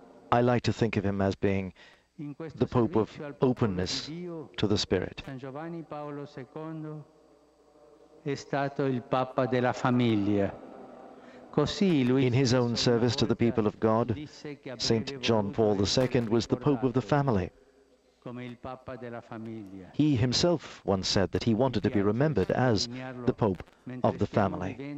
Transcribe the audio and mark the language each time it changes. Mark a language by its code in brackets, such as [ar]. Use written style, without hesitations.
[en] I like to think of him as being the Pope of openness to the Spirit. [it] San Giovanni Paolo II è stato il Papa della famiglia. [en] In his own service to the people of God, Saint John Paul II was the Pope of the family. He himself once said that he wanted to be remembered as the Pope of the family.